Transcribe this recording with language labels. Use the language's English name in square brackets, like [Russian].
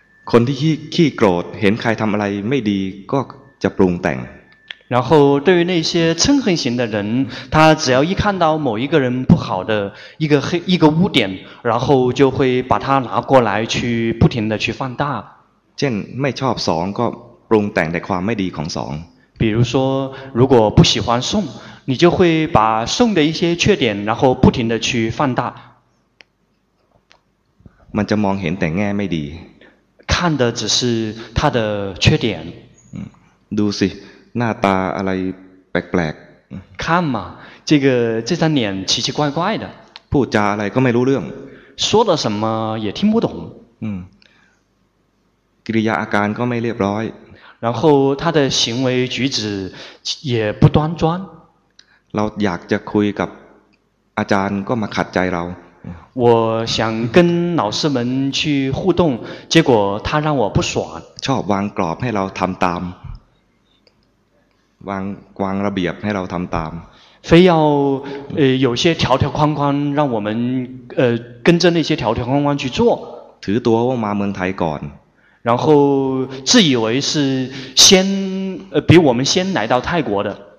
[Thai] คนที่ขี้โกรธเห็นใครทำอะไรไม่ดีก็จะปรุงแต่ง。 [Chinese] 然后对于那些嗔恨型的人，他只要一看到某一个人不好的一个污点，然后就会把他拿过来去不停的去放大。 [Thai] เช่นไม่ชอบสองก็ปรุงแต่งในความไม่ดีของสอง。 [Chinese] 比如说，如果不喜欢宋。你就会把宋的一些缺点，然后不停的去放大。 [Thai] มันจะมองเห็นแต่แง่ไม่ดี。 [Chinese] 看的只是他的缺点。 [Thai] ดูสิหน้าตาอะไรแปลกๆ。 [Chinese] 看嘛，这张脸奇奇怪怪的。 [Thai] พูดจาอะไรก็ไม่รู้เรื่อง。 [Chinese] 说了什么也听不懂。 [Thai] กิริยาอาการก็ไม่เรียบร้อย。 [Chinese] 然后他的行为举止也不端庄。 [Thai] เราอยากจะคุยกับอาจารย์ก็มาขัดใจเรา [Chinese] 我想跟老师们去互动，结果他让我不爽。 [Thai] ชอบวางกรอบให้เราทำตามวางระเบียบให้เราทำตาม [Chinese] 非要有些条条框框让我们跟着那些条条框框去做。 [Thai] ถือตัวว่ามาเมืองไทยก่อน [Chinese] 然后自以为是先比我们先来到泰国的。